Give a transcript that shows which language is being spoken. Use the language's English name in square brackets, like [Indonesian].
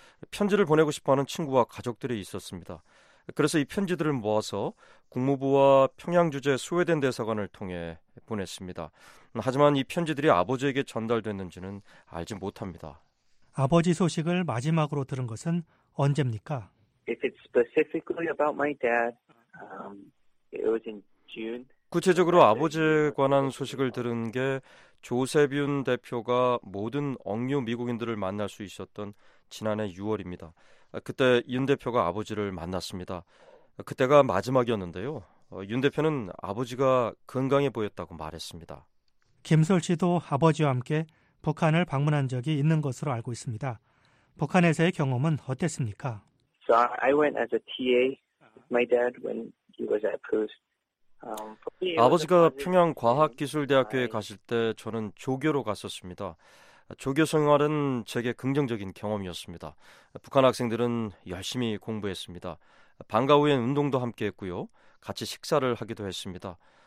[Korean] 편지를 보내고 싶어하는 친구와 가족들이 있었습니다. 그래서 이 편지들을 모아서 국무부와 평양 주재 스웨덴 대사관을 통해 보냈습니다. 하지만 이 편지들이 아버지에게 전달됐는지는 알지 못합니다. 아버지 소식을 마지막으로 들은 것은 언제입니까? [English] If it's specifically about my dad, it was in June. [Korean] 구체적으로 아버지에 관한 소식을 들은 게 조셉 윤 대표가 모든 억류 미국인들을 만날 수 있었던 지난해 6월입니다. 그때 윤 대표가 아버지를 만났습니다. 그때가 마지막이었는데요. 윤 대표는 아버지가 건강해 보였다고 말했습니다. 김솔 씨도 아버지와 함께 북한을 방문한 적이 있는 것으로 알고 있습니다. 북한에서의 경험은 어땠습니까? [English] So I went as a TA with my dad when he was at post. [Korean] 아버지가 평양과학기술대학교에 가실 때 저는 조교로 갔었습니다. 조교 생활은 제게 긍정적인 경험이었습니다. 북한 학생들은 열심히 공부했습니다. 방과 후엔 운동도 함께 했고요. 같이 식사를 하기도 했습니다.